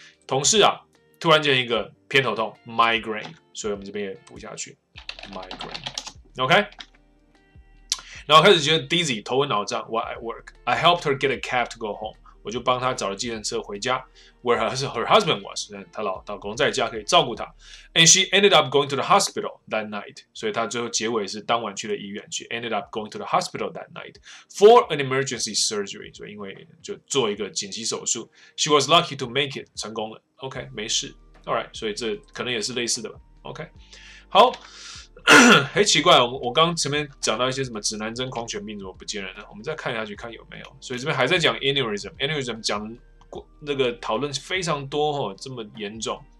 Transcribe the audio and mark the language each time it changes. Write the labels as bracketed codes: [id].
[zh] 同事啊，突然间一个偏头痛 migraine， 所以我们这边也补下去 migraine。 OK， 然后开始觉得 dizzy， 头昏脑胀 [en] while at work。 I helped her get a cab to go home， [zh] 我就帮她找了计程车回家 [en] ，where her husband was， [zh] 她老公在家可以照顾她。 [en] And she ended up going to the hospital that night. [zh] 所以她最后结尾是当晚去了医院。 [en] She ended up going to the hospital that night for an emergency surgery. [zh] 所以因为就做一个紧急手术。 [en] She was lucky to make it， [zh] 成功了。OK， 没事。 [en] All right， [zh] 所以这可能也是类似的吧。 OK， 好。很奇怪，我刚前面讲到一些什么指南针狂犬病怎么不见了呢？我们再看下去看有没有。所以这边还在讲 aneurysm， aneurysm 讲那个讨论非常多哦，这么严重。